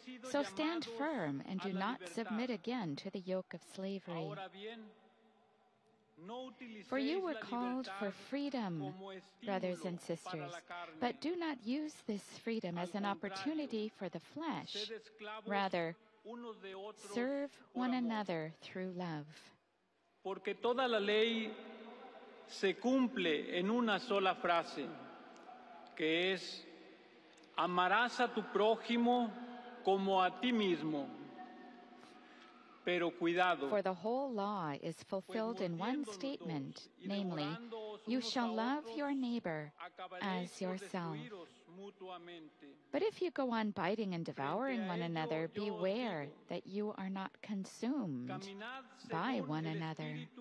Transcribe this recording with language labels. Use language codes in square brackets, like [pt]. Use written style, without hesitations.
[en] So stand firm and do not submit again to the yoke of slavery. For you were called for freedom, brothers and sisters, but do not use this freedom as an opportunity for the flesh. Rather, serve one another through love. [es] Porque toda la ley se cumple en una sola frase. Que es, amarás a tu prójimo como a ti mismo. Pero cuidado. [en] For the whole law is fulfilled in one statement, namely, you shall love your neighbor as yourself. But if you go on biting and devouring one another, beware that you are not consumed by one another.